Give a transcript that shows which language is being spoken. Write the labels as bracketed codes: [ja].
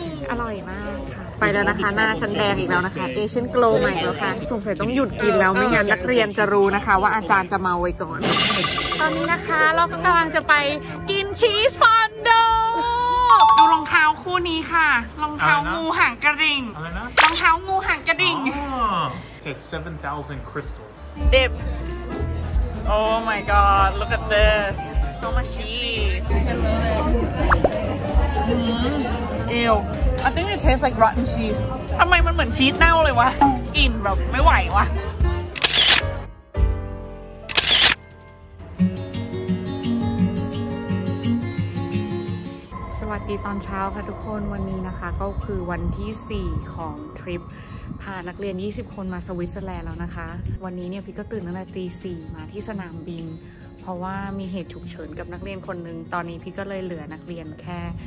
[th] อร่อยมากค่ะไปแล้วนะคะหน้าชั้นแดงอีกแล้วนะคะ Asian Glow ใหม่แล้วค่ะสงสัยต้องหยุดกินแล้วไม่งั้นนักเรียนจะรู้นะคะว่าอาจารย์จะมาไว้ก่อนตอนนี้นะคะเรากำลังจะไปกินชีสฟอนดูดูรองเท้าคู่นี้ค่ะรองเท้างูหางกระดิ่งรองเท้างูหางกระดิ่ง [en] says 7,000 crystals dip oh my god look at this so much cheese I love it ew I think it tastes like rotten cheese [th] ทำไมมันเหมือนชีสเน่าเลยวะอิ่มแบบไม่ไหววะสวัสดีตอนเช้าค่ะทุกคนวันนี้นะคะก็คือวันที่4ของทริปพานักเรียน20คนมาสวิตเซอร์แลนด์แล้วนะคะวันนี้เนี่ยพี่ก็ตื่นตั้งแต่ตี4มาที่สนามบินเพราะว่ามีเหตุฉุกเฉินกับนักเรียนคนนึงตอนนี้พี่ก็เลยเหลือนักเรียนแค่